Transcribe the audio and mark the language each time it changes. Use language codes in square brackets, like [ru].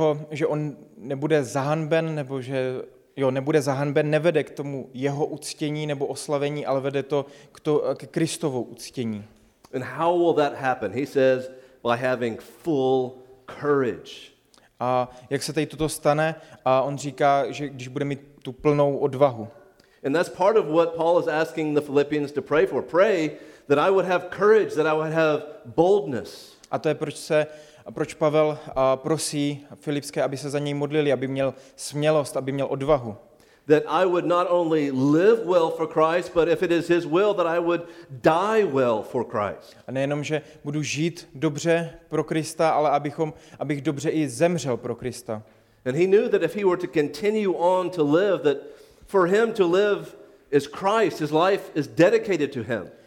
[cs] Že on nebude zahanben, nebo že jo, nebude zahanben, nevede k tomu jeho uctění nebo oslavení, ale vede to k Kristovu uctění. [en] And how will that happen? He says, by having full courage. [cs] A jak se tady toto stane? A on říká, že když bude mít tu plnou odvahu. [en] And that's part of what Paul is asking the Philippians to pray for. Pray that I would have courage, that I would have boldness. [cs] A to je proč Pavel prosí Filipské, aby se za něj modlili, aby měl smělost, aby měl odvahu. [en] That I would not only live well for Christ, but if it is his will, that I would die well for Christ. [cs] A nejenom, že budu žít dobře pro Krista, ale abych dobře i zemřel pro Krista. [en] And he knew that if he were to continue on to live, that for him to live is Christ, his life is dedicated to him.